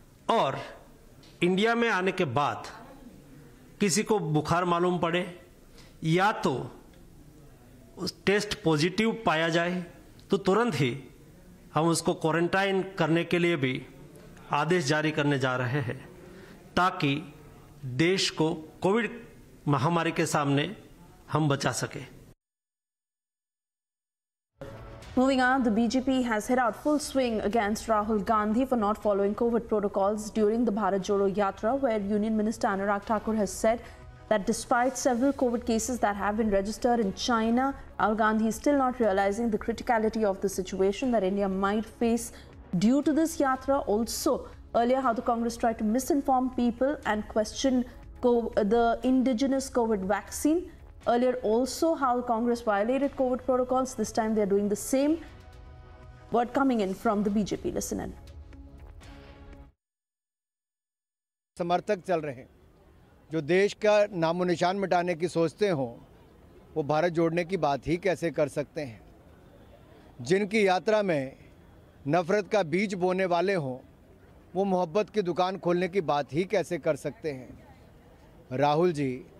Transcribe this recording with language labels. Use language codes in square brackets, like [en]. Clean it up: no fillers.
[hi] और इंडिया में आने के बाद किसी को बुखार मालूम पड़े या तो उस टेस्ट पॉजिटिव पाया जाए तो तुरंत ही हम उसको क्वारंटाइन करने के लिए भी आदेश जारी करने जा रहे हैं ताकि देश को कोविड महामारी के सामने हम बचा सके. [en] Moving on, the BJP has hit out full swing against Rahul Gandhi for not following COVID protocols during the Bharat Jodo Yatra, where Union Minister Anurag Thakur has said that despite several COVID cases that have been registered in China, Rahul Gandhi is still not realizing the criticality of the situation that India might face due to this Yatra. Also, earlier how the Congress tried to misinform people and question the indigenous COVID vaccine. Earlier also how Congress violated COVID protocols. This time they are doing the same. Word coming in from the BJP. Listen in. [hi] समर्थक चल रहे हैं जो देश का नामोनिशान मिटाने की सोचते हो वो भारत जोड़ने की बात ही कैसे कर सकते हैं जिनकी यात्रा में नफरत का बीज बोने वाले हो वो मोहब्बत की दुकान खोलने की बात ही कैसे कर सकते हैं राहुल जी